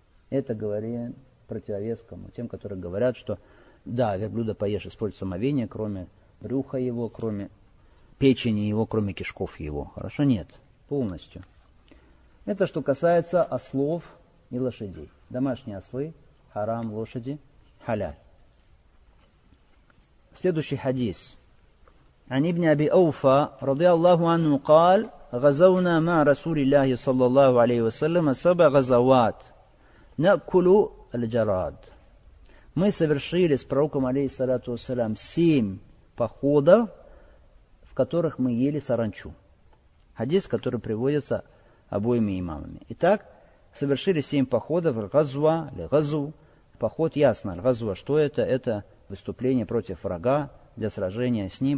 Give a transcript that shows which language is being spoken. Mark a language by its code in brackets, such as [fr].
[ru] Это говорит противовес кому, тем, которые говорят, что да, верблюда поешь, испортится омовение, кроме брюха его, кроме печени его, кроме кишков его. Хорошо? Нет. Полностью. Это что касается ослов и лошадей. Домашние ослы – حرام лошади حلال. Следующий хадис. [ar] عن ابن أبي أوفى رضي الله عنه قال غزونا مع رسول الله صلى الله عليه وسلم سبع غزوات نأكل الجراد. [ru] Мы совершили с пророком алейхиссалату вассалям семь походов, в которых мы ели саранчу. Хадис, который приводится обоими имамами. Итак, совершили семь походов, газва или газу. Поход ясно, газва, что это? Это выступление против врага для сражения с ним.